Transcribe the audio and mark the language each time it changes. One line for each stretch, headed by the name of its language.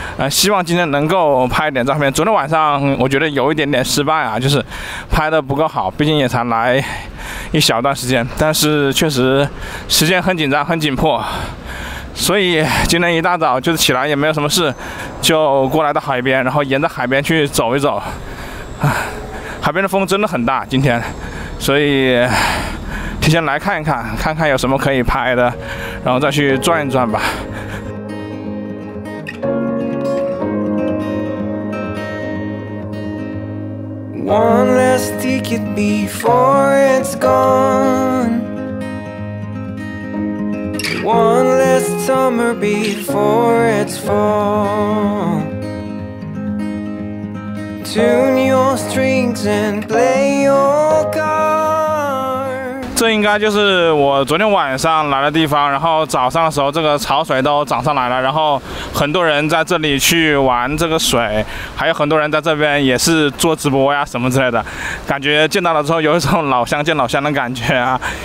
Chinese: 希望今天能够拍一点照片。昨天晚上我觉得有一点点失败啊，就是拍得不够好，毕竟也才来一小段时间，但是确实时间很紧张很紧迫，所以今天一大早就是起来也没有什么事，就过来到海边，然后沿着海边去走一走。海边的风真的很大今天，所以提前来看一看，看看有什么可以拍的，然后再去转一转吧。
English: One last ticket before it's gone. One last summer before it's fall. Tune your strings and play your cards.
Chinese: 这应该就是我昨天晚上来的地方，然后早上的时候这个潮水都涨上来了，然后很多人在这里去玩这个水，还有很多人在这边也是做直播呀什么之类的，感觉见到了之后有一种老乡见老乡的感觉啊。